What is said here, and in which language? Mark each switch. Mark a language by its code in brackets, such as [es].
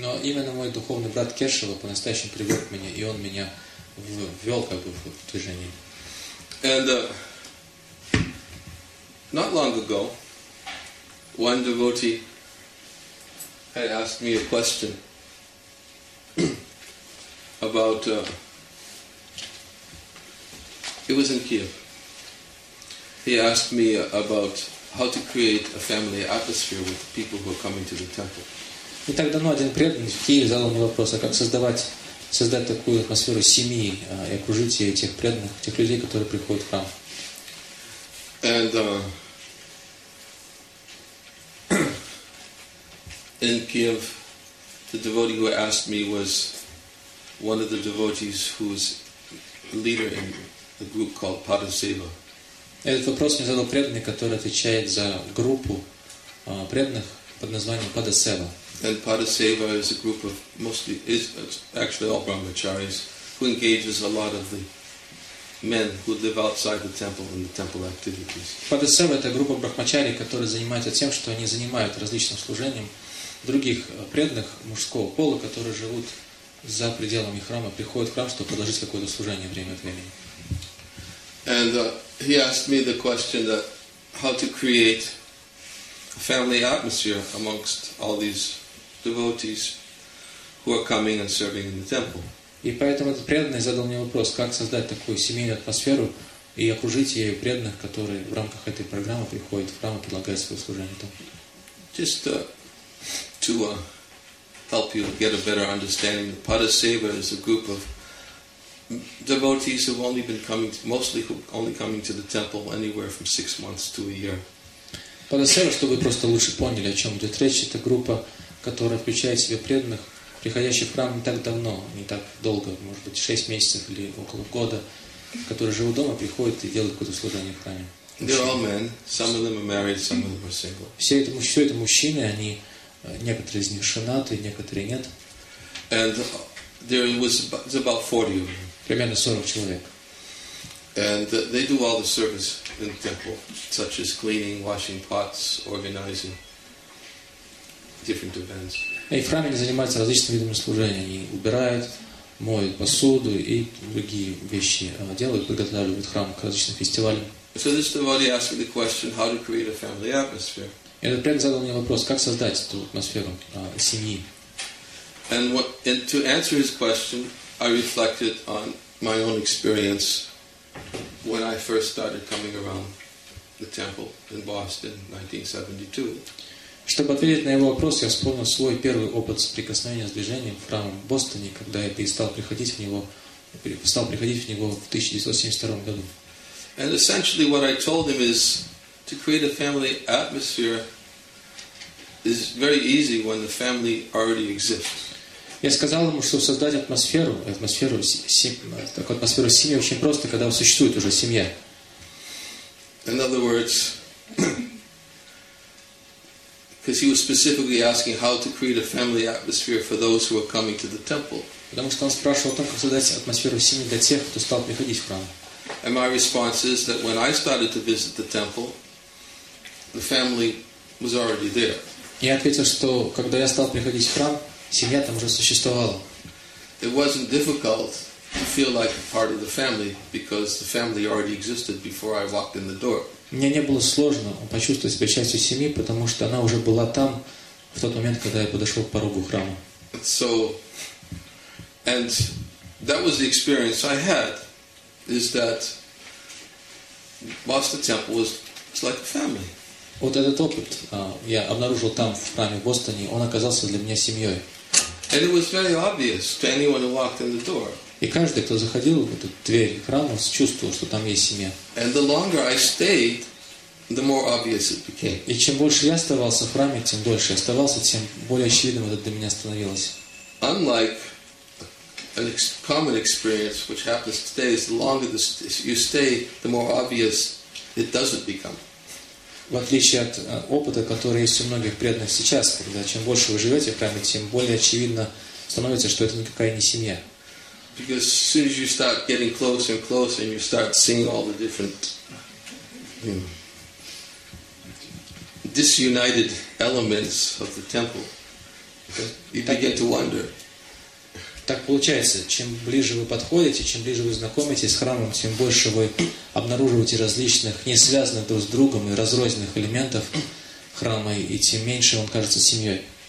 [ru] Но именно мой духовный брат Кешава по-настоящему привлек меня, и он меня ввел как бы в движение. [en] And not long ago, one devotee had asked me a question about, it was in Kiev. He asked me about how to create a family atmosphere with the people who are coming to the temple. [ru] И так давно один преданный в Киеве задал мне вопрос, а как создать такую атмосферу семьи и окружить ее тех преданных, тех людей, которые приходят в храм. [en] And in Kiev, the devotee who asked me was one of the devotees who's a leader in a group called Padaseva. [ru] Этот вопрос мне задал преданный, который отвечает за группу преданных под названием Padaseva. [en] And Padaseva is a group of mostly is actually all brahmacharis who engages a lot of the men who live outside the temple in the temple activities. [ru] Padaseva — это группа брахмачари, которые занимаются тем, что они занимают различным служением других преданных мужского пола, которые живут за пределами храма, приходят в храм, чтобы продолжить какое-то служение время от времени. [en] And he asked me the question that how to create family atmosphere amongst all these devotees who are coming and serving in the temple. [ru] И поэтому этот преданный задал мне вопрос, как создать такую семейную атмосферу и окружить ею преданных, которые в рамках этой программы приходят в храм и предлагают свое служение там. [en] Just to help you get a better understanding, the Padaseva is a group of devotees who've only been coming to, mostly who only coming to the temple anywhere from 6 months to a year. [ru] Подосерва, чтобы вы просто лучше поняли, о чем идет речь, это группа, которая включает в себя преданных, приходящих в храм не так давно, не так долго, может быть, 6 месяцев или около года, которые живут дома, приходят и делают какое-то служение в храме. [en] They're all men. Some of them are married, some of them are single. [ru] Все это мужчины, они, некоторые из них женаты, некоторые нет. [en] And there was about 40 of them. [ru] Примерно 40 человек. [en] And they do all the service in the temple, such as cleaning, washing pots, organizing different events. [ru] И в храме они занимаются различными видами служения. Они убирают, моют посуду и другие вещи делают, подготавливают храм к различным фестивалям. [en] So this devotee asked me the question, how to create a family atmosphere. [ru] И этот преданный задал мне вопрос, как создать эту атмосферу семьи. [en] And to answer his question, I reflected on my own experience. When I first started coming around the temple in Boston, 1972. [ru] Чтобы ответить на его вопрос, я вспомнил свой первый опыт соприкосновения с движением в храме в Бостоне, когда я стал приходить в него в 1972 году. [en] And essentially, what I told him is to create a family atmosphere is very easy when the family already exists. [ru] Я сказал ему, что создать атмосферу семьи очень просто, когда существует уже семья. [en] In other words, because he was specifically asking how to create a family atmosphere for those who are coming to the temple. [ru] Потому что он спрашивал о том, как создать атмосферу семьи для тех, кто стал приходить в храм. [en] And my response is that when I started to visit the temple, the family was already there. [ru] Я ответил, что когда я стал приходить в храм, семья там уже существовала. [en] It wasn't difficult to feel like a part of the family because the family already existed before I walked in the door. [ru] Мне не было сложно почувствовать себя частью семьи, потому что она уже была там в тот момент, когда я подошел к порогу храма. [en] So, and that was the experience I had, is that Boston Temple was like a family. [ru] Вот этот опыт я обнаружил там в храме в Бостоне, он оказался для меня семьей. [en] And it was very obvious to anyone who walked in the door. [ru] И каждый, кто заходил в эту дверь храма, чувствовал, что там есть семья. [en] And the longer I stayed, the more obvious it became. [ru] И чем больше я оставался в храме, тем дольше я оставался, тем более очевидным это для меня становилось. [en] Unlike an common experience which happens today, is the longer you stay, the more obvious it doesn't become. [ru] В отличие от опыта, который есть у многих преданных сейчас, когда чем больше вы живете в храме, тем более очевидно становится, что это никакая не семья. [en] Because as soon as you start getting closer and closer, and you start seeing all the different disunited elements of the temple, you begin to wonder. [ru] Так получается, чем ближе вы подходите, чем ближе вы знакомитесь с храмом, тем больше вы обнаруживаете различных, не связанных друг с другом и разрозненных элементов храма, и тем меньше он кажется семьей.